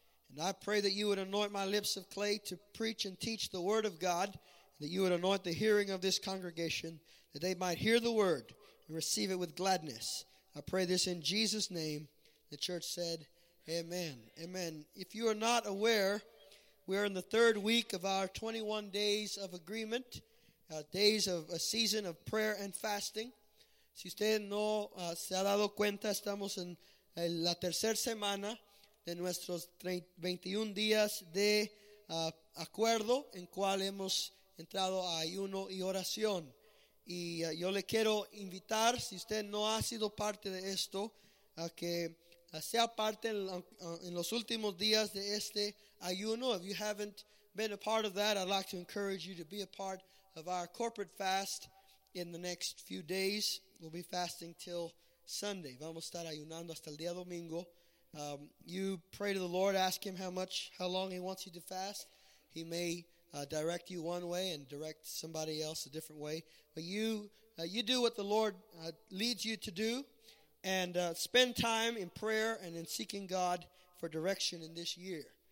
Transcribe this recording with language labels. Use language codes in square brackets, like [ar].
[en] And I pray that you would anoint my lips of clay to preach and teach the word of God, and that you would anoint the hearing of this congregation, that they might hear the word and receive it with gladness. I pray this in Jesus' name. The church said, Amen. Amen. If you are not aware, we are in the third week of our 21 days of agreement, days of a season of prayer and fasting. [es] Si usted no se ha dado cuenta, estamos en la tercera semana de nuestros 21 días de acuerdo en cual hemos entrado a ayuno y oración. Y yo le quiero invitar, si usted no ha sido parte de esto, a que sea parte en los últimos días de este ayuno. [en] If you haven't been a part of that, I'd like to encourage you to be a part of our corporate fast in the next few days. We'll be fasting till Sunday. [es] Vamos a estar ayunando hasta el día domingo. [en] You pray to the Lord, ask him how long he wants you to fast. He may direct you one way and direct somebody else a different way. But you do what the Lord leads you to do. And spend time in prayer and in seeking God for direction in this year.